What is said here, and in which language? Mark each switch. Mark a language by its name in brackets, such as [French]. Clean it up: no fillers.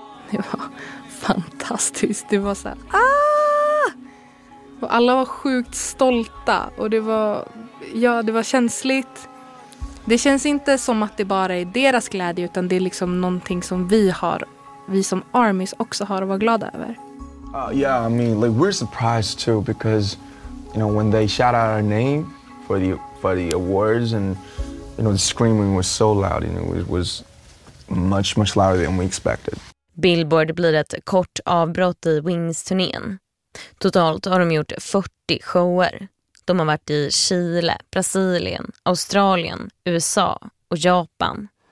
[Swedish] Det var fantastiskt. Det var så här, ah! Och alla var sjukt stolta. Och det var, ja, det var känsligt. Det känns inte som att det bara är deras glädje. Utan det är liksom någonting som vi har, vi som armies också har att vara glada över. [English] Yeah, I mean, like, we're surprised too because... You know, when they shout out our name for the by the awards, and you know, the screaming was so loud, and it was much, much louder than we expected. [Swedish] Billboard blir ett kort avbrott i Wings-turnén. Totalt har de gjort 40 shower. De har varit i Chile, Brasilien, Australien, USA och Japan.